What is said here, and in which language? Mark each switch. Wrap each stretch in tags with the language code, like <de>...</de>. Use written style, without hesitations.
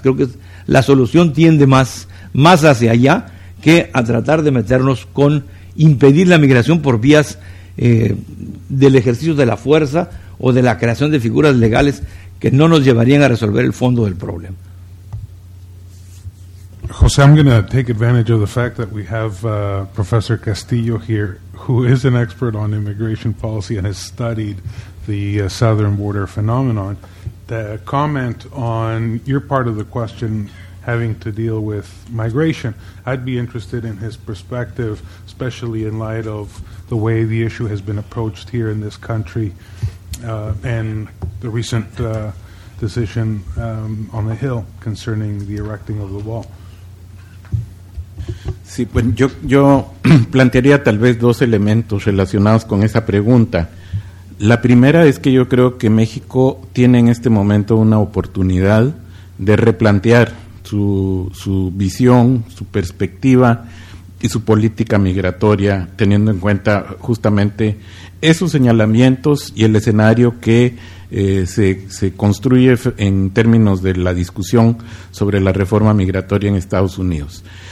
<es>Creo que la solución tiende más hacia allá que a tratar de meternos con impedir la migración por vías del ejercicio de la fuerza o de la creación de figuras legales que no nos llevarían a resolver el fondo del problema.</es> <en>José, I'm going to take advantage of the fact that we have Professor Castillo here, who is an expert on immigration policy and has studied the southern border phenomenon. The comment on your part of the question having to deal with migration, I'd be interested in his perspective, especially in light of the way the issue has been approached here in this country and the recent decision on the Hill concerning the erecting of the wall.</en> <es>Sí, pues yo plantearía tal vez dos elementos relacionados con esa pregunta. La primera es que yo creo que México tiene en este momento una oportunidad de replantear su visión, su perspectiva y su política migratoria, teniendo en cuenta justamente esos señalamientos y el escenario que se construye en términos de la discusión sobre la reforma migratoria en Estados Unidos.</es>